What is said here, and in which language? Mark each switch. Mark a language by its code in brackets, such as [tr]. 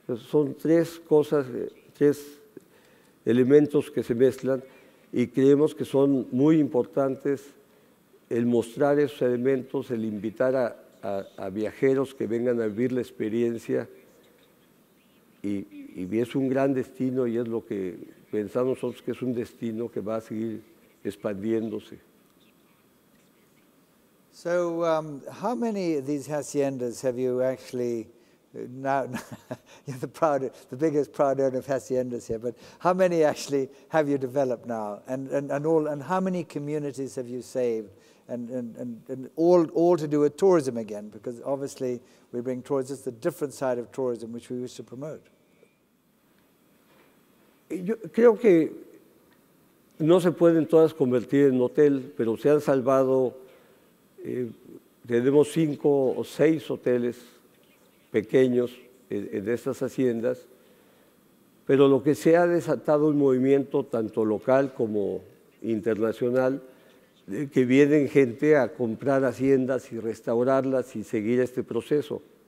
[es] Son tres cosas, tres elementos que se mezclan y creemos que son muy importantes el mostrar esos elementos, el invitar a viajeros que vengan a vivir la experiencia y es un gran destino y es lo que pensamos nosotros que es un destino que va a seguir expandiéndose. [en] So, how many of these haciendas have you actually now you're the biggest proud owner of haciendas here, but how many actually have you developed now? And how many communities have you saved? And all to do with tourism again, because obviously we bring tourism, it's a different side of tourism which we used to promote. [es] Yo creo que no se pueden todas convertir en hotel, pero se han salvado. Tenemos 5 o 6 hoteles pequeños en estas haciendas, pero lo que se ha desatado un movimiento tanto local como internacional, que vienen gente a comprar haciendas y restaurarlas y seguir este proceso.